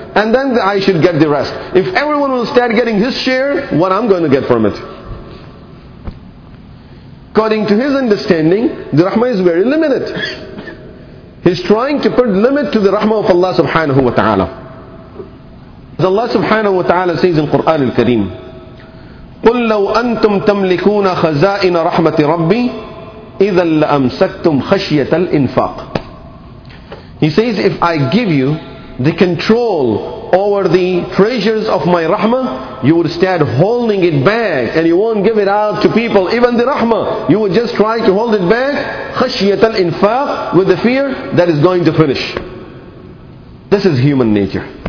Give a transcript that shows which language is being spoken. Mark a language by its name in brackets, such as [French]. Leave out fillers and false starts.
[English] And then I should get the rest. If everyone will start getting his share, what I'm going to get from it? According to his understanding, the rahmah is very limited. He's trying to put limit to the rahmah of Allah subhanahu wa ta'ala. As Allah subhanahu wa ta'ala says in Quran al-Kareem, [Arabic] قُلْ لَوْ أَنْتُمْ تَمْلِكُونَ خَزَائِنَ رَحْمَةِ رَبِّي إِذًا لَأَمْسَكْتُمْ خَشْيَةَ الْإِنْفَاقِ. [English] He says, if I give you the control over the treasures of my rahmah, you would start holding it back and you won't give it out to people, even the rahmah. You would just try to hold it back, [Arabic] خَشْيَةَ الْإِنْفَاقِ, [English] with the fear that is going to finish. This is human nature.